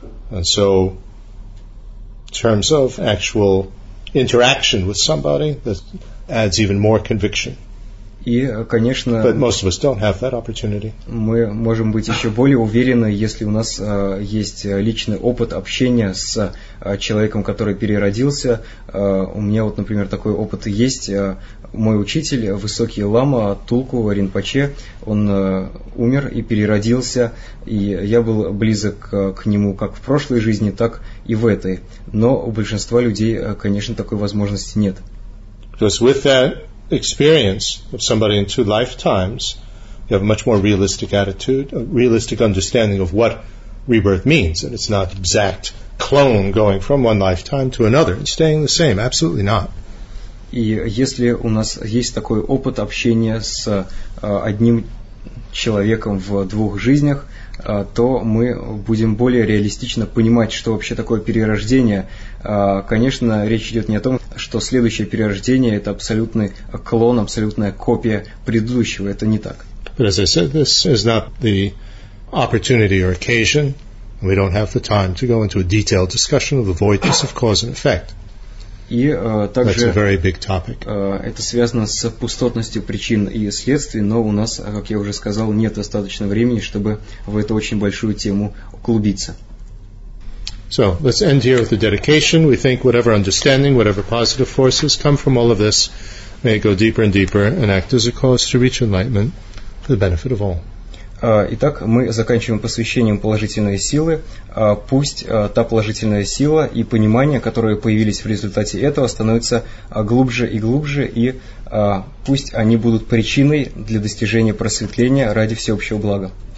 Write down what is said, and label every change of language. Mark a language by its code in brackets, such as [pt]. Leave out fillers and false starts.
[en] And so, in terms of actual interaction with somebody, that adds even more conviction. [ru] И, конечно, [en] but most of us don't have that opportunity. [ru] Мы можем быть еще более уверены, если у нас есть личный опыт общения с человеком, который переродился. У меня вот, например, такой опыт есть. Мой учитель, высокий лама Тулку Ринпоче, он умер и переродился, и я был близок к нему как в прошлой жизни, так и в этой. Но у большинства людей, конечно, такой возможности нет. [en] Because with that experience of somebody in two lifetimes, you have a much more realistic attitude, a realistic understanding of what rebirth means, and it's not exact clone going from one lifetime to another and staying the same. Absolutely not. [ru] И если у нас есть такой опыт общения с одним человеком в двух жизнях, то мы будем более реалистично понимать, что вообще такое перерождение. Конечно, речь идет не о том, что следующее перерождение – это абсолютный клон, абсолютная копия предыдущего. Это не так. [en] But as I said, this is not the opportunity or occasion. We don't have the time to go into a detailed discussion of the voidness of cause and effect. [ru] И также [en] that's a very big topic. [ru] Это связано с пустотностью причин и следствий, но у нас, как я уже сказал, нет достаточно времени, чтобы в эту очень большую тему углубиться. [en] So, let's end here with the dedication. We think whatever understanding, whatever positive forces come from all of this, may it go deeper and deeper and act as a cause to reach enlightenment for the benefit of all. [ru] Итак, мы заканчиваем посвящением положительной силы. Пусть та положительная сила и понимание, которые появились в результате этого, становятся глубже и глубже, и пусть они будут причиной для достижения просветления ради всеобщего блага.